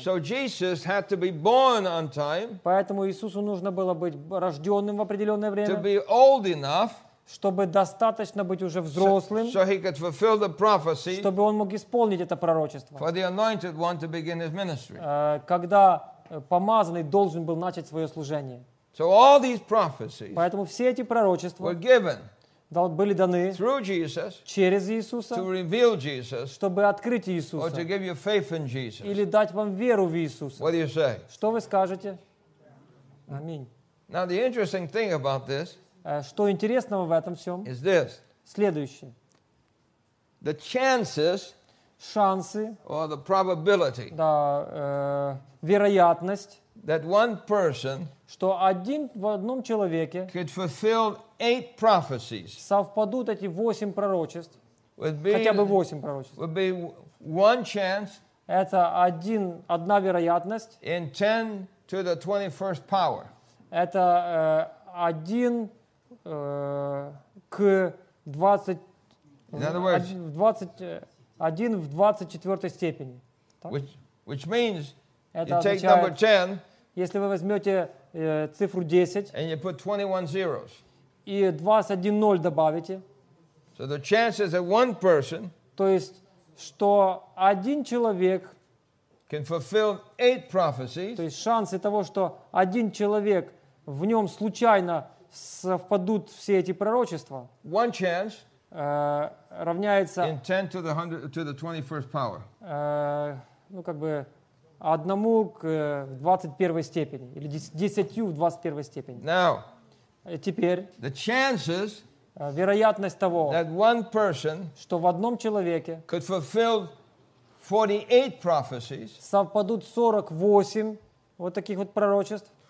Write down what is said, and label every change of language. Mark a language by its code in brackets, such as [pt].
[en] So Jesus had to be born on time. [ru] Поэтому Иисусу нужно было быть рожденным в определенное время. [en] To be old enough, [ru] чтобы достаточно быть уже взрослым, [en] so he could fulfill the prophecy, [ru] чтобы он мог исполнить это пророчество, [en] for the anointed one to begin his ministry, [ru] когда помазанный должен был начать свое служение. [en] So all these prophecies, [ru] поэтому все эти пророчества [en] were given, [ru] были даны [en] through Jesus, [ru] через Иисуса, [en] to reveal Jesus, [ru] чтобы открыть Иисуса, [en] or to give you faith in Jesus, [ru] или дать вам веру в Иисуса. [en] What do you say? [ru] Что вы скажете? Аминь. [en] Now the interesting thing about this, [ru] что интересного в этом всем? [en] Is this. [ru] Следующее. [en] The chances, [ru] шансы, [en] or the probability, [ru] да, вероятность, [en] that one person, [ru] что один в одном человеке, [en] could fulfill 8 prophecies, [ru] совпадут эти 8 пророчеств, хотя бы 8 пророчеств, [en] would be one chance, [ru] это один, одна вероятность, [en] in 10 to the 21st power, [ru] это один к 20, [en] in other words, [ru] 20, один в 24 степени. [en] Which means, [ru] это [en] you [ru] означает, [en] take number 10, [ru] если вы возьмете цифру 10, [en] and you put 21 zeros, [ru] и 21 ноль добавите, [en] so the chances that one person, [ru] то есть, что один человек, [en] can fulfill 8 prophecies, [ru] то есть шансы того, что один человек, в нем случайно совпадут все эти пророчества, [en] one chance, [ru] равняется [en] in 10 to the 100, to the 21st power, [ru] ну, как бы, одному к 21 степени, или 10 в 21 степени. [en] Now, [ru] теперь, [en] the chances, [ru] вероятность того, [en] that one person, [ru] что в одном человеке, [en] could fulfill 48 prophecies, [ru] совпадут 48 вот таких вот пророчеств,